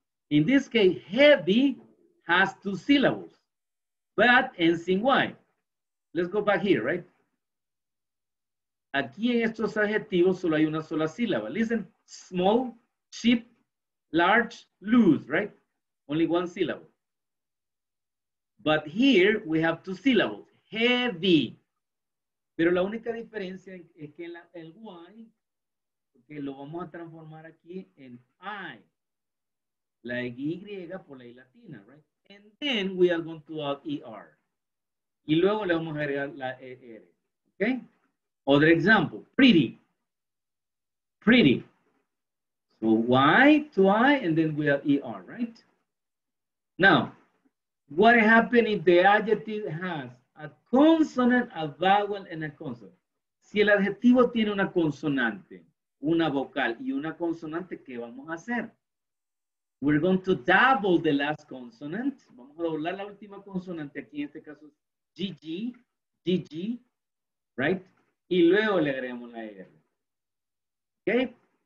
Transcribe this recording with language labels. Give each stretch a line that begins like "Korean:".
English: In this case, heavy has two syllables, but ends in Y. Let's go back here, right?
Spanish: Aquí en estos adjetivos solo hay una sola sílaba.
English: Listen. Small, cheap, large, loose, right? Only one syllable. But here we have two syllables. Heavy.
Spanish: Pero la única diferencia es que el Y, que lo vamos a transformar aquí en I. La Y por la I latina, right?
English: And then we are going to add ER.
Spanish: Y luego le vamos a agregar la ER. Okay?
English: Other example. Pretty. Pretty. Y to I, and then we have ER, right? Now, what happens if the adjective has a consonant, a vowel, and a consonant?
Spanish: Si el adjetivo tiene una consonante, una vocal y una consonante, ¿qué vamos a hacer?
English: We're going to double the last consonant.
Spanish: Vamos a doblar la última consonante aquí, en este caso, GG, GG, right? Y luego le agregamos la R. ¿Ok?